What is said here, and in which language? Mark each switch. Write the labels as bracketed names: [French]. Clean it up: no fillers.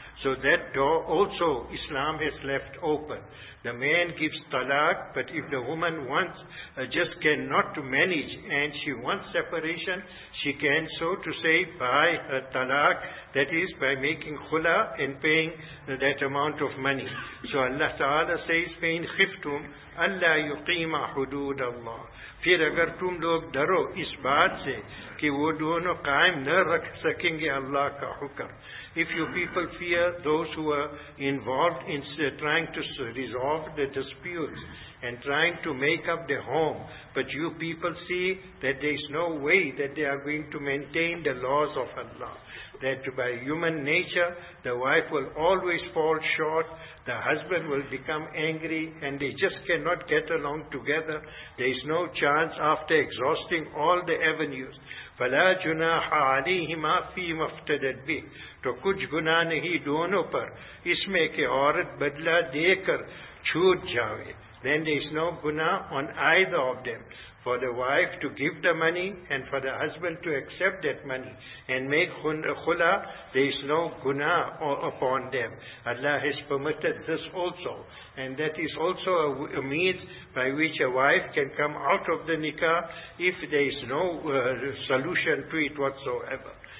[English] So that door also Islam has left open. The man gives talaq, but if the woman wants, just cannot manage, and she wants separation, she can, so to say, buy a talaq, that is, by making khula and paying that amount of money. So Allah Ta'ala says, [Arabic] فَإِنْ خِفْتُمْ أَلَّا يُقِيمَ حُدُودَ اللَّهِ. [Urdu] پھر اگر تم لوگ درو اس بات سے کہ وہ دونوں قائم نہ رکھ سکیں گے اللہ کا حکم. [English] If you people fear those who are involved in trying to resolve the disputes and trying to make up their home, but you people see that there is no way that they are going to maintain the laws of Allah. That by human nature, the wife will always fall short, the husband will become angry, and they just cannot get along together. There is no chance after exhausting all the avenues. [Arabic] فَلَا جُنَاحَ عَلِيْهِمَا فِي مَفْتَدَدْ بِهِ. [Urdu] تو کچھ گناہ نہیں دونوں پر اس میں کہ عورت بدلہ دے کر چھوٹ جاوے. [English] Then there is no guna on either of them. For the wife to give the money and for the husband to accept that money and make khula, there is no guna upon them. Allah has permitted this also. And that is also a means by which a wife can come out of the nikah if there is no solution to it whatsoever.